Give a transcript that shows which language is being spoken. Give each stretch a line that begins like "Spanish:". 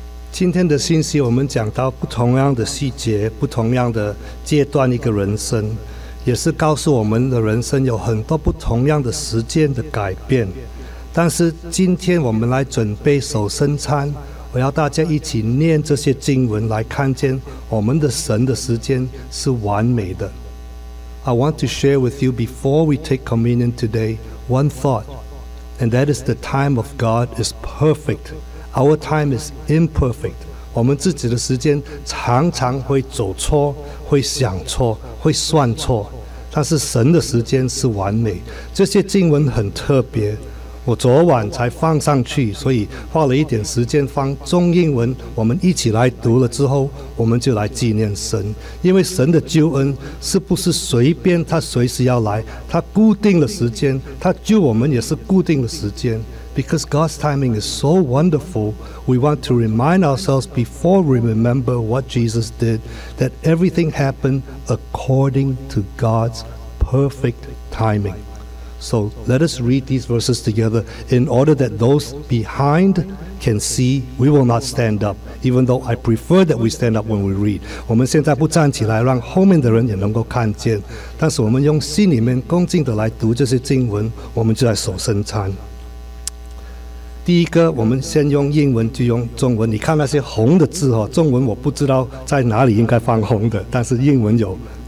Chinese: 今天的信息我们讲到不同样的细节，不同样的阶段，一个人生也是告诉我们的人生有很多不同样的时间的改变。但是今天我们来准备守圣餐，我要大家一起念这些经文，来看见我们的神的时间是完美的。
English: I want to share with you before we take communion today one thought, and that is the time of God is perfect, our time is imperfect.
Chinese: 我们自己的时间常常会走错，会想错，会算错，但是神的时间是完美。这些经文很特别，我昨晚才放上去，所以花了一点时间放中英文，我们一起来读了之后，我们就来纪念神。因为神的救恩是不是随便他随时要来，他固定了时间，他救我们也是固定的时间。
English: Because God's timing is so wonderful, we want to remind ourselves before we remember what Jesus did, that everything happened according to God's perfect timing. So let us read these verses together in order that those behind can see. We will not stand up, even though I prefer that we stand up when we read.
Chinese: 我们现在不站起来，让后面的人也能够看见。但是我们用心里面恭敬的来读这些经文，我们就来守圣餐。第一个，我们先用英文，就用中文。你看那些红的字哦，中文我不知道在哪里应该放红的，但是英文有。